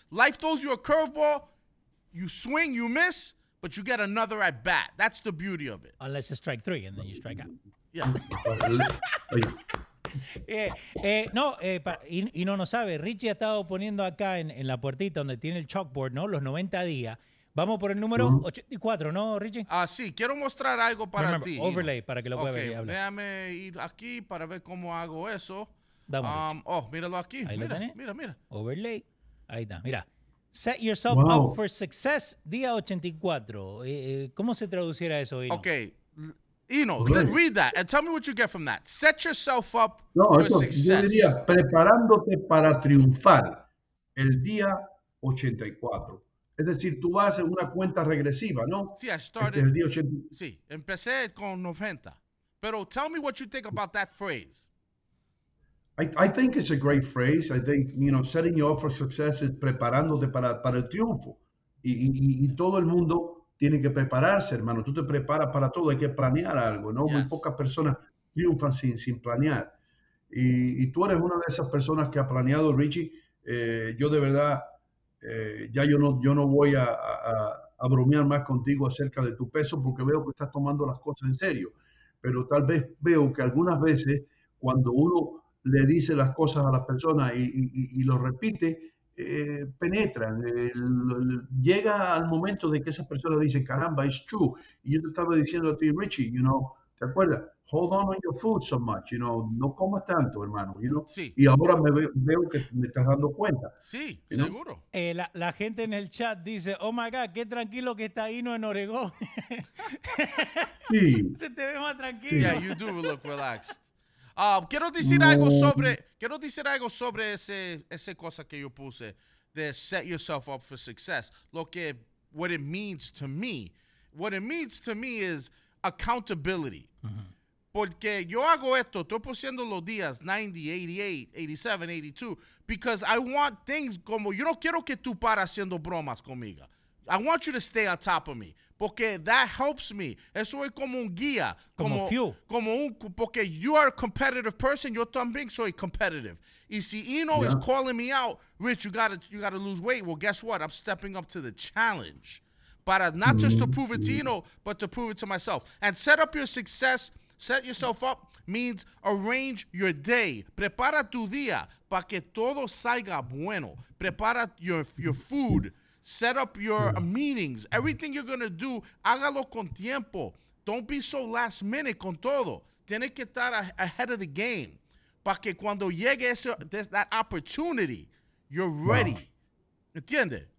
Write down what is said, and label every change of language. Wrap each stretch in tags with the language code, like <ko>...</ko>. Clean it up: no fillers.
<en>Life throws you a curveball, you swing, you miss, but you get another at bat. That's the beauty of it. Unless it's strike three and then you strike out. Yeah.</en> <es>No no sabe. Richie ha estado poniendo acá en la puertita donde tiene el chalkboard, ¿no? Los 90 días. Vamos por el número 84, ¿no, Richie? Ah, sí. Quiero mostrar algo para ti. Overlay, para que lo pueda ver y hablar. Déjame ir aquí para ver cómo hago eso. Míralo aquí. Ahí mira, lo tenés. Mira.</es> <en>Overlay.</en> <es>Ahí está. Mira.</es> <en>Set yourself up for success, día 84.</en> <es>¿Cómo se traduciera eso, Hino? Ok.</es> <en>Hino, read that and tell me what you get from that. Set yourself up for success.</en> <es>Yo diría, preparándote para triunfar el día 84. Es decir, tú vas en una cuenta regresiva, ¿no? Sí,</es> <en>I started.</en> <es>El día 84. Sí, empecé con 90.</es> <en>Pero tell me what you think about that phrase. I think it's a great phrase. I think, you know, setting you up for success is</en> <es>preparándote para el triunfo. Y todo el mundo tiene que prepararse, hermano. Tú te preparas para todo. Hay que planear algo, ¿no?</es> <en>Yes.</en> <es>Muy pocas personas triunfan sin planear. Y tú eres una de esas personas que ha planeado, Richie. Yo de verdad, yo no voy a bromear más contigo acerca de tu peso porque veo que estás tomando las cosas en serio. Pero tal vez veo que algunas veces cuando uno le dice las cosas a las personas y lo repite, penetran, llega al momento de que esa persona dice, caramba,</es> <en>it's true.</en> <es>Y yo te estaba diciendo a ti, Richie,</es> <en>you know,</en> <es>¿te acuerdas?</es> <en>Hold on your food so much, you know,</en> <es>no comas tanto, hermano,</es> <en>you know.</en> <es>Sí. Y ahora veo que me estás dando cuenta. Sí, ¿sí seguro. ¿No? La gente en el chat dice,</es> <en>oh my God,</en> <es>qué tranquilo que está Hino en Oregón. Sí. Se te ve más tranquilo. Sí.</es> <en>Yeah, you do look relaxed.</en> <es>Quiero decir algo sobre ese cosa que yo puse de</es> <en>set yourself up for success. What it means to me is accountability. Uh-huh.</en> <es>Porque yo hago esto, estoy pusiendo los días 90, 88, 87, 82,</es> <en>because I want things</en> <es>como, yo no quiero que tú pares haciendo bromas conmigo.</es> <en>I want you to stay on top of me.</en> <es>Porque</es> <en>that helps me.</en> <es>Eso es como un guía. Como fuel. Porque</es> <en>you are a competitive person.</en> <es>Yo también soy</es> <en>competitive.</en> <es>Y si</es> <en>Hino is calling me out, Rich, you gotta lose weight. Well, guess what? I'm stepping up to the challenge.</en> <es>Para</es> <en>not just to prove it to Hino, but to prove it to myself. And set up your success. Set yourself up means arrange your day.</en> <es>Prepara tu día para que todo salga bueno.</es> <en>Prepara your food. Set up your meetings. Everything you're going to do,</en> <es>hágalo con tiempo.</es> <en>Don't be so last minute</en> <es>con todo. Tienes que estar</es> <en>ahead of the game.</en> <es>Para que cuando llegue</es> <en>that opportunity, You're ready. Wow.</en> <es>¿Entiendes?</es>